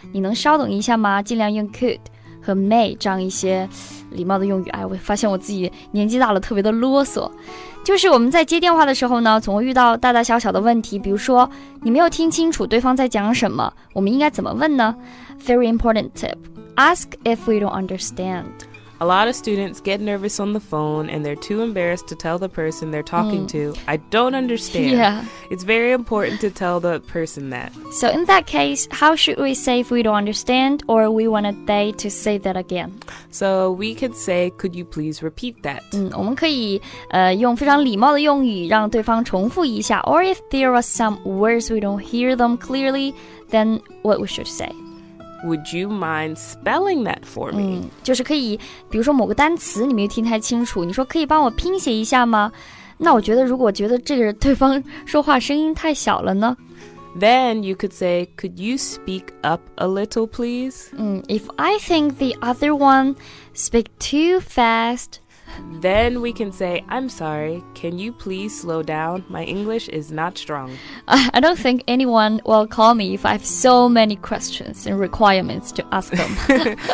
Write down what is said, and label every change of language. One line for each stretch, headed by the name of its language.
Chinese: 你能稍等一下吗？尽量用 could 和 may 这样一些礼貌的用语。哎，我发现我自己年纪大了，特别的啰嗦。就是我们在接电话的时候呢，总会遇到大大小小的问题，比如说你没有听清楚对方在讲什么，我们应该怎么问呢？
English: Very important tip. Ask if we don't understand. A lot of students get nervous on the phone and they're too embarrassed to tell the person they're talking to, I don't understand. Yeah. It's very important to tell the person that. So in that case, how should we say if we don't understand or we want they to say that again? So we could say, could you please repeat that?
Chinese: 我们可以用非常礼貌的用语让对方重复一下。
English: Or if there are some words we don't hear them clearly, then what we should say? Would you mind spelling that for me?
Chinese: 就是可以，比如说某个单词你没有听太清楚，你说可以帮我拼写一下吗？那我觉得如果觉得这个对方说话声音太小了呢？
English: Then you could say, could you speak up a little please? If I think the other one speak too fast... Then we can say, I'm sorry, can you please slow down? My English is not strong. I don't think anyone will call me if I have so many questions and requirements to ask them.